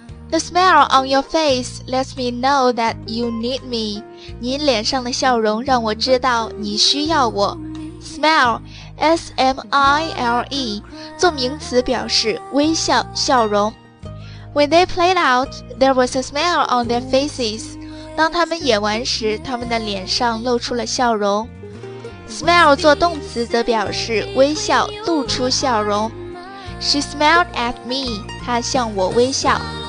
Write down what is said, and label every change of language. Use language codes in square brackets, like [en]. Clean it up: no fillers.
[en] The smile on your face lets me know that you need me. [zh] 你脸上的笑容让我知道你需要我。 Smile, S-M-I-L-E, 做名词表示微笑、笑容。 [en] When they played out, there was a smile on their faces. [zh] 当他们演完时，他们的脸上露出了笑容。 Smile 做动词则表示微笑，露出笑容。 [en] She smiled at me, [zh] 她向我微笑。